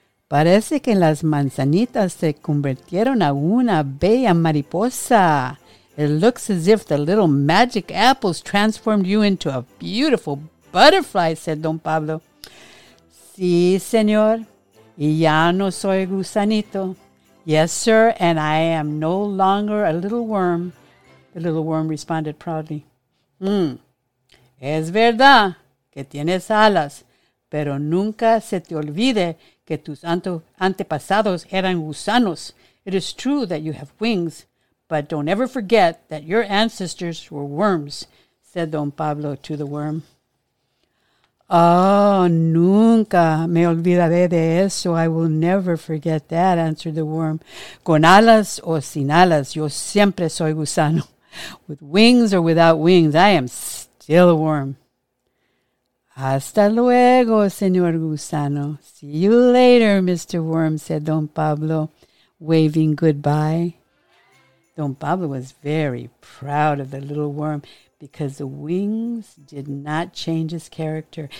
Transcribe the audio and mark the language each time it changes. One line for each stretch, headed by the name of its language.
Spanish: Parece que las manzanitas se convirtieron a una bella mariposa.
English: It looks as if the little magic apples transformed you into a beautiful butterfly, said Don Pablo.
Spanish: Sí, señor. Y ya no soy gusanito.
English: Yes, sir, and I am no longer a little worm, the little worm responded proudly.
Spanish: Es verdad que tienes alas, pero nunca se te olvide que tus antepasados eran gusanos.
English: It is true that you have wings, but don't ever forget that your ancestors were worms, said Don Pablo to the worm.
Spanish: Oh, nunca me olvidaré de eso.
English: I will never forget that, answered the worm.
Spanish: Con alas o sin alas, yo siempre soy gusano.
English: With wings or without wings, I am still a worm.
Spanish: Hasta luego, señor gusano.
English: See you later, Mr. Worm, said Don Pablo, waving goodbye. Don Pablo was very proud of the little worm because the wings did not change his character.